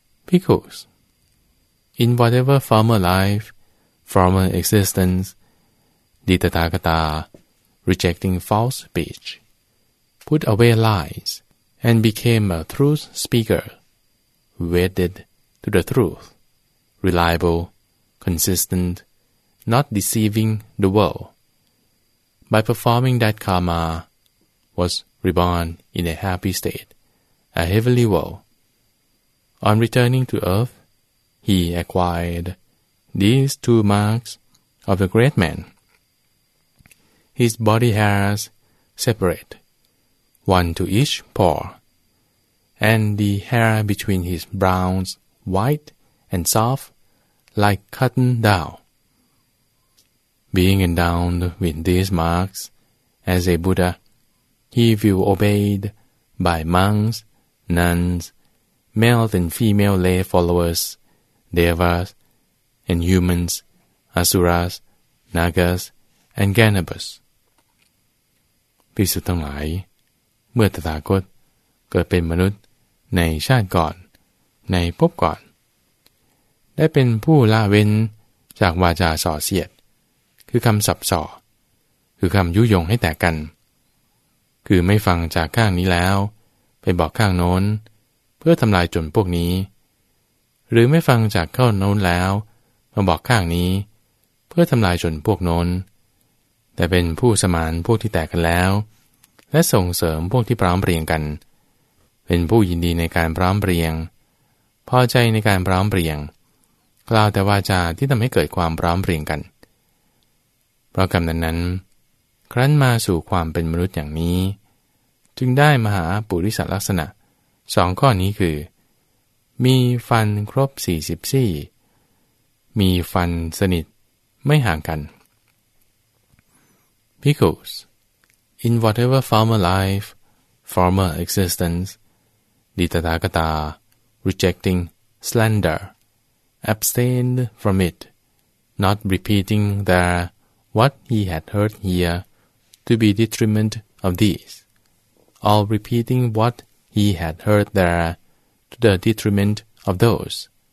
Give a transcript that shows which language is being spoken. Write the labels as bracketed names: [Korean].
[English] Because in whatever former life, former existence, the Tathagata, rejecting false speech, put away lies and became a truth speaker, wedded to the truth, reliable, consistent,not deceiving the world. By performing that karma, was reborn in a happy state, a heavenly world. On returning to earth, he acquired these two marks of the great man. His body hairs separate, one to each paw, and the hair between his brows white and soft, like cotton down. Being endowed with these marks, as a Buddha, he will obeyed by monks, nuns, male and female lay followers, devas, and humans, asuras, nagas, and ganabas. [Thai] ภิกษุทั้งหลายเมื่อตถาคตเกิดเป็นมนุษย์ในชาติก่อนในภพก่อนได้เป็นผู้ละเว้นจากวาจาส่อเสียดคือคำสับสอคือคำยุยงให้แตกกันคือไม่ฟังจากข้างนี้แล้วไปบอกข้างโน้นเพื่อทำลายจนพวกนี้ หรือไม่ฟังจากข้างโน้นแล้วมาบอกข้างนี้เพื่อทำลายจนพวกโน้นแต่เป็นผู้สมานพวกที่แตกกันแล้วและส่งเสริมพวกที่พร้อมเรียงกันเป็นผู้ยินดีในการพร้อมเรียงพอใจในการพร้อมเรียงกล่าวแต่วาจาที่ทำให้เกิดความพร้อมเรียงกัน เพราะกรรมนั้นครั้นมาสู่ความเป็นมนุษย์อย่างนี้จึงได้มหาปุริสลักษณะสองข้อนี้คือมีฟันครบ44มีฟันสนิท ไม่ห่างกัน [English] Because in whatever former life, former existence, the Tathagata, rejecting slander, abstained from it, not repeating there what he had heard here, to be detriment of these, all repeating what he had heard there to the detriment of those.